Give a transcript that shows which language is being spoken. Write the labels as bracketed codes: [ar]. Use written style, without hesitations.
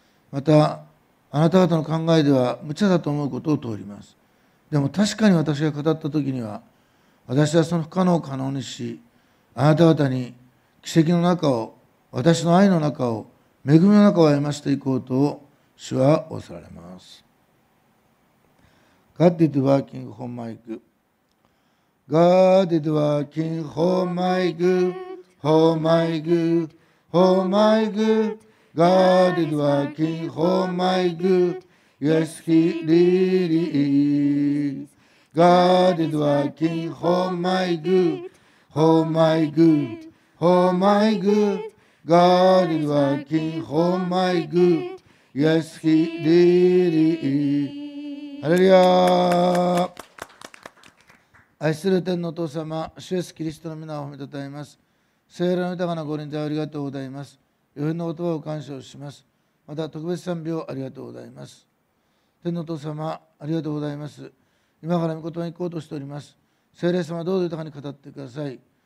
[ja] またあなた方の考えでは無茶だと思うことを通ります。でも確かに私が語ったときには、私はその不可能を可能にし、あなた方に奇跡の中を、私の愛の中を、恵みの中を歩ませていこうと主は仰せられます。 [en] God is working on my good. God is working on my good. On my good. On my good. God is working on my good. Yes, he really is. God is working on my good. On my good. On my good. God is working on my goodYes, he did it. [ja] ハレルヤ。愛する天のお父様、主イエスキリストの皆を褒めたたえます。聖霊の豊かなご臨在ありがとうございます。余分の言葉を感謝をします。また特別賛美をありがとうございます。天のお父様ありがとうございます。今から御言葉に行こうとしております。聖霊様どうぞ豊かに語ってください。